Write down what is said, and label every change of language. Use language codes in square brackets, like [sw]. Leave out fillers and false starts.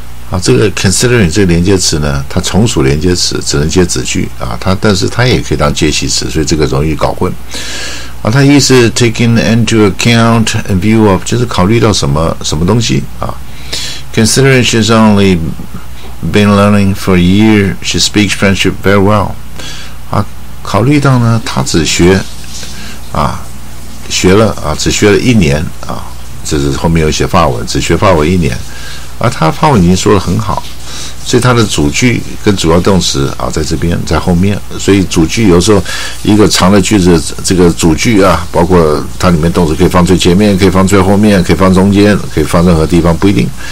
[zh] 啊，这个 considering 这个连接词呢，它从属连接词，只能接子句啊。它但是它也可以当介系词，所以这个容易搞混。啊，它意思 [en] taking into account in view of [zh] 就是考虑到什么什么东西啊。 [en] Considering she's only been learning for a year, she speaks French very well。 [zh] 啊，考虑到呢，她只学啊学了啊只学了一年啊，这是后面有写法文，只学法文一年。而他法文已经说得很好，所以他的主句跟主要动词啊在这边在后面，所以主句有时候一个长的句子，这个主句啊包括它里面动词可以放最前面，可以放最后面，可以放中间，可以放任何地方，不一定。